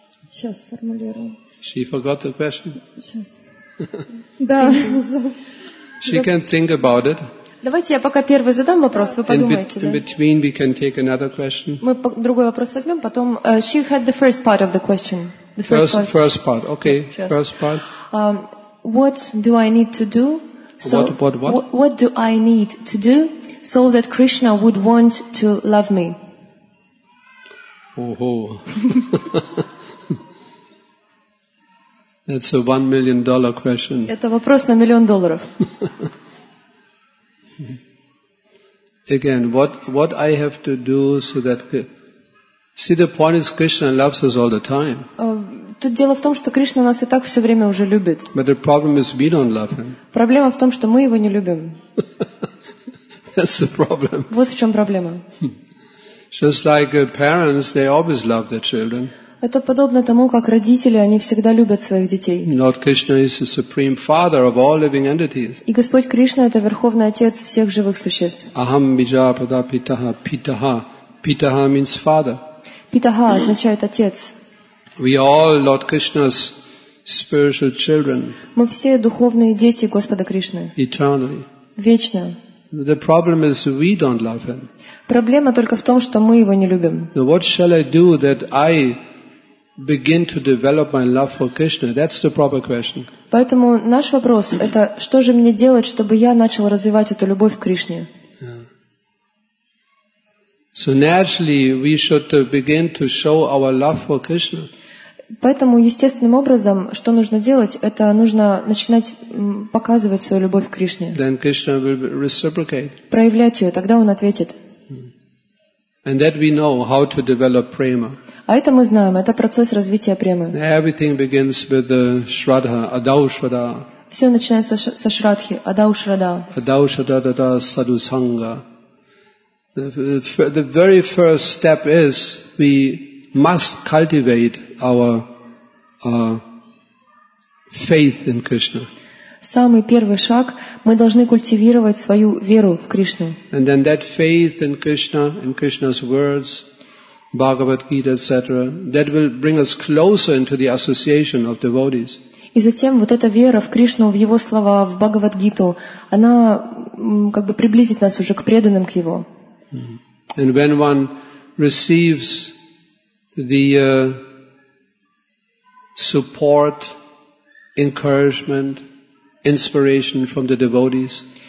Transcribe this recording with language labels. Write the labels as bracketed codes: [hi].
[ru] Сейчас формулирую. [en] She forgot the question. [ru] Да. [en] She can think about it. [ru] Давайте я пока первый задам вопрос, вы подумайте. [en] In between we can take another question. [ru] Мы другой вопрос возьмем, потом... [en] She had the first part of the question. The first part. Okay, yes. First part. What do I need to do? So what? What do I need to do so that Krishna would want to love me? Oh-ho. That's a $1 million question. [ru] Это вопрос на миллион долларов. [en] Again, what I have to do so that... See, the point is Krishna loves us all the time. [ru] Тут дело в том, что Кришна нас и так все время уже любит. [en] But the problem is we don't love him. [ru] Проблема в том, что мы его не любим. [en] That's the problem. [ru] Вот в чем проблема. [en] Just like parents, they always love their children. [ru] Это подобно тому, как родители, они всегда любят своих детей. [en] Lord Krishna is the supreme father of all living entities. [ru] И Господь Кришна – это Верховный Отец всех живых существ. [sa] Aham bijapada pitaha, pitaha. [en] Pitaha means father. [ru] Pitaha означает отец. [en] We all Lord Krishna's spiritual children. [ru] Мы все духовные дети Господа Кришны. [en] Eternally. [ru] Вечно. [en] The problem is we don't love him. [ru] Проблема только в том, что мы его не любим. [en] So what shall I do that I begin to develop my love for Krishna? That's the proper question. [ru] Поэтому наш вопрос – это что же мне делать, чтобы я начал развивать эту любовь к Кришне? [en] So naturally, we should begin to show our love for Krishna. [ru] Поэтому естественным образом, что нужно делать, это нужно начинать показывать свою любовь к Кришне. [en] Then Krishna will reciprocate. [ru] Проявлять ее, тогда он ответит. [en] And that we know how to develop prema. [ru] А это мы знаем, это процесс развития премы. [en] Everything begins with the shraddha, [sa] adau shraddha. [ru] Все начинается со шрадхи, [sa] адау шрада. Адау шрада дада саду санга. [en] The very first step is we must cultivate our faith in Krishna. [ru] Самый первый шаг – мы должны культивировать свою веру в Кришну. [en] And then that faith in Krishna, in Krishna's words, Bhagavad Gita, etc., that will bring us closer into the association of devotees. [ru] И затем вот эта вера в Кришну, в Его слова, в Бхагавад-гиту, она как бы приблизит нас уже к преданным, к Его. [en] And when one receives the support, encouragement, inspiration from the devotees.